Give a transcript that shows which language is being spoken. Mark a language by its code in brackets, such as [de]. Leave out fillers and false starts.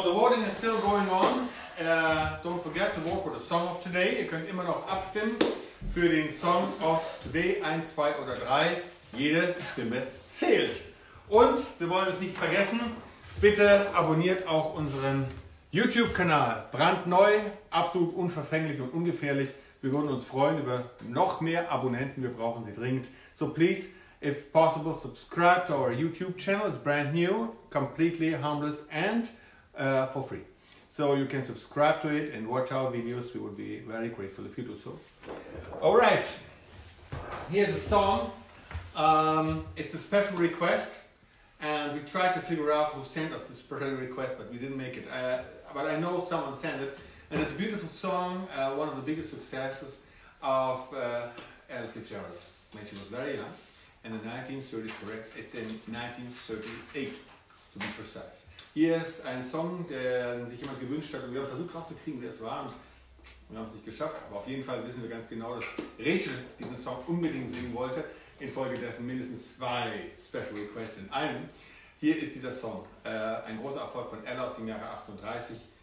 [en] don't forget to vote for the song of today. [de] Ihr könnt immer noch abstimmen für den Song of today, 1, 2 oder 3. Jede Stimme zählt. Und wir wollen es nicht vergessen, bitte abonniert auch unseren YouTube-Kanal. Brandneu, absolut unverfänglich und ungefährlich. Wir würden uns freuen über noch mehr Abonnenten. Wir brauchen sie dringend. [en] So please, if possible, subscribe to our YouTube channel. It's brand new, completely harmless and for free. So you can subscribe to it and watch our videos. We would be very grateful if you do so. All right. Here's a song. It's a special request. And we tried to figure out who sent us this special request, but we didn't make it. But I know someone sent it. And it's a beautiful song, one of the biggest successes of Ella Fitzgerald. When she was very young, in the 1930s, correct? It's in 1938, to be precise. [de] Hier ist ein Song, den sich jemand gewünscht hat, und wir haben versucht rauszukriegen, wer es war, und wir haben es nicht geschafft. Aber auf jeden Fall wissen wir ganz genau, dass Rachel diesen Song unbedingt singen wollte, infolgedessen mindestens zwei Special Requests in einem. Hier ist dieser Song, ein großer Erfolg von Ella aus dem Jahre 38.